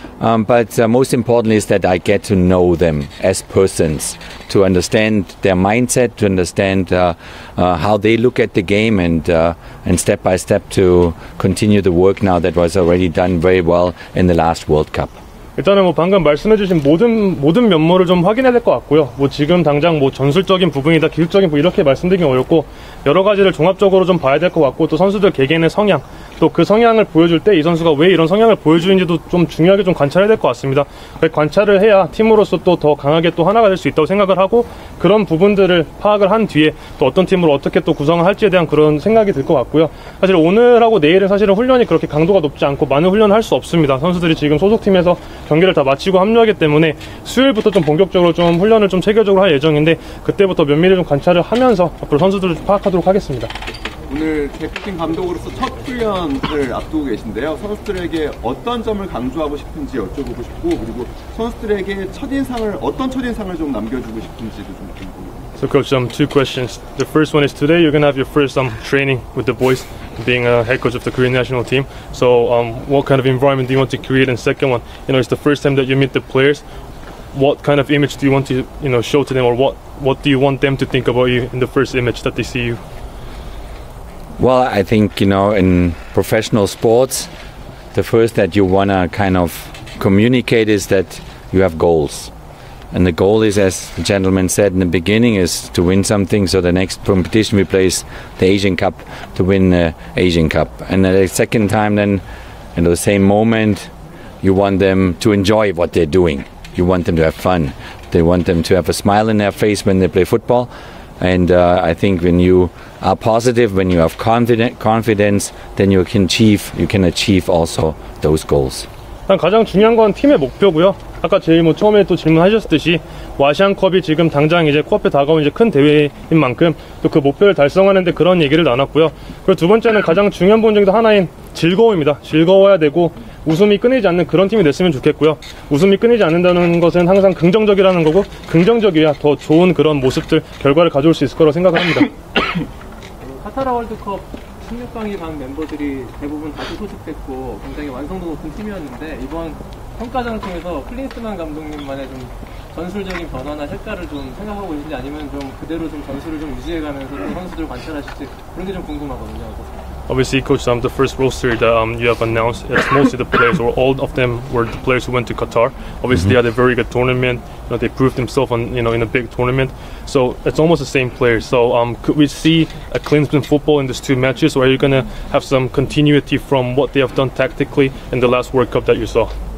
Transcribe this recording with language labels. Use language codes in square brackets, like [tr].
[en] But most importantly is that I get to know them as persons, to understand their mindset, to understand how they look at the game and step by step to continue the work now that was already done very well in the last World Cup. [ko] 일단은 뭐 방금 말씀해주신 모든 면모를 좀 확인해야 될 것 같고요. 뭐 지금 당장 뭐 전술적인 부분이다, 기술적인 부분 이렇게 말씀드리긴 어렵고 여러 가지를 종합적으로 좀 봐야 될 것 같고 또 선수들 개개인의 성향, 또 그 성향을 보여줄 때 이 선수가 왜 이런 성향을 보여주는지도 좀 중요하게 좀 관찰해야 될 것 같습니다. 관찰을 해야 팀으로서 또 더 강하게 또 하나가 될 수 있다고 생각을 하고 그런 부분들을 파악을 한 뒤에 또 어떤 팀으로 어떻게 또 구성을 할지에 대한 그런 생각이 들 것 같고요. 사실 오늘하고 내일은 사실은 훈련이 그렇게 강도가 높지 않고 많은 훈련을 할 수 없습니다. 선수들이 지금 소속팀에서 경기를 다 마치고 합류하기 때문에 수요일부터 좀 본격적으로 좀 훈련을 좀 체계적으로 할 예정인데 그때부터 면밀히 좀 관찰을 하면서 앞으로 선수들을 파악하도록 하겠습니다. 오늘 대표팀 감독으로서 첫 훈련을 앞두고 계신데요. 선수들에게 어떤 점을 강조하고 싶은지 여쭤보고 싶고, 그리고 선수들에게 첫인상을, 어떤 첫인상을 좀 남겨주고 싶은지도 좀 궁금합니다. [en] So coach, two questions. The first one is today you're going to have your first training with the boys, being a head coach of the Korean national team. So what kind of environment do you want to create? And second one, you know, it's the first time that you meet the players. What kind of image do you want to, you know, show to them, or what do you want them to think about you in the first image that they see you? Well, I think, you know, in professional sports, the first that you want to kind of communicate is that you have goals. And the goal is, as the gentleman said in the beginning, is to win something. So the next competition we play is the Asian Cup, to win the Asian Cup. And the second time then, in the same moment, you want them to enjoy what they're doing. You want them to have fun. They want them to have a smile in their face when they play football. And I think when you are positive, when you have confidence, then you can achieve also those goals. [ko] 일단 가장 중요한 건 팀의 목표고요. 아까 제일 뭐 처음에 또 질문하셨듯이 아시안컵이 지금 당장 이제 코앞에 다가온 이제 큰 대회인 만큼 또 그 목표를 달성하는데 그런 얘기를 나눴고요. 그리고 두 번째는 가장 중요한 부분 중에 하나인 즐거움입니다. 즐거워야 되고 웃음이 끊이지 않는 그런 팀이 됐으면 좋겠고요. 웃음이 끊이지 않는다는 것은 항상 긍정적이라는 거고, 긍정적이야 더 좋은 그런 모습들, 결과를 가져올 수 있을 거라고 생각을 합니다. 카타르 월드컵 16강에 간 멤버들이 대부분 다시 소집됐고 굉장히 완성도 높은 팀이었는데, 이번 평가전 통해서 클린스만 감독님만의 좀 전술적인 변화나 색깔을 좀 생각하고 계신지, 아니면 좀 그대로 좀 전술을 좀 유지해가면서 좀 선수들 관찰하실지 그런 게 좀 궁금하거든요. 어떠세요? [en] Obviously, Coach, the first roster that you have announced, it's mostly the players, or all of them were the players who went to Qatar. Obviously, mm-hmm. they had a very good tournament. You know, they proved themselves in a big tournament. So it's almost the same players. So could we see a Klinsmann football in these two matches, or are you going to have some continuity from what they have done tactically in the last World Cup that you saw?